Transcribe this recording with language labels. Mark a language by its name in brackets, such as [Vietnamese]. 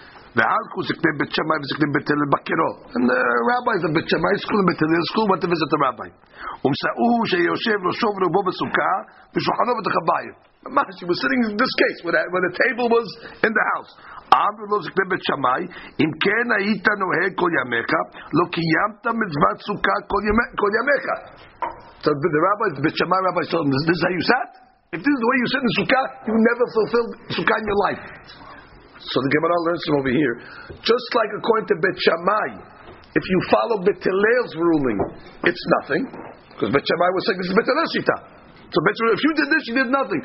[English] And the rabbis of Bet Shammai school and Bet Hillel school went to visit the rabbi. He was sitting in this case when the table was in the house. [Hebrew] אמר לו זקני בית שמאי, אם כן היית נוהג כל ימיך, לא קיימת מצוות סוכה כל ימיך. [English] So the rabbi, the bit shamai rabbi, told him, this is how you sat? If this is the way you sit in the sukkah, you never fulfilled sukkah in your life. So the Gemara learns from over here. Just like according to bit shamai, if you follow bit Hillel's ruling, it's nothing. Because bit shamai was saying, this is bit Hillel's shita. So if you did this, you did nothing.